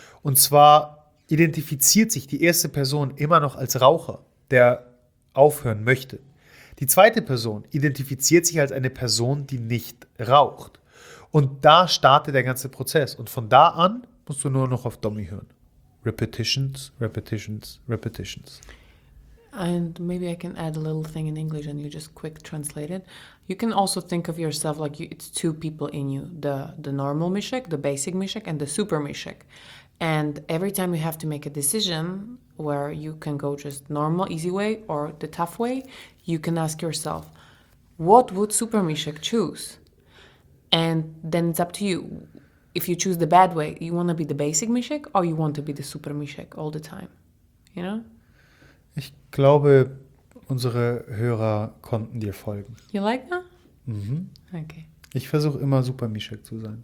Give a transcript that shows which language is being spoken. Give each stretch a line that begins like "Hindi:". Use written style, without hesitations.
German: Und zwar identifiziert sich die erste Person immer noch als Raucher, der aufhören möchte. Die zweite Person identifiziert sich als eine Person, die nicht raucht. Und da startet der ganze Prozess. Und von da an musst du nur noch auf Domi hören.
English: Repetitions, repetitions, repetitions. And maybe I can add a little thing in English and you just quick translate it. You can also think of yourself like it's two people in you. The normal Mishek, the basic Mishek and the super Mishek. And every time you have to make a decision where you can go just normal, easy way or the tough way, you can ask yourself, what would super Mishek choose? And then it's up to you. If you choose the bad way, you want to be the basic Mishek or you want to be the super Mishek all the time, you know?
German: Ich glaube, unsere Hörer konnten dir folgen.
English: You like that? Mhm. Okay.
German: Ich versuche immer super Mishek zu sein.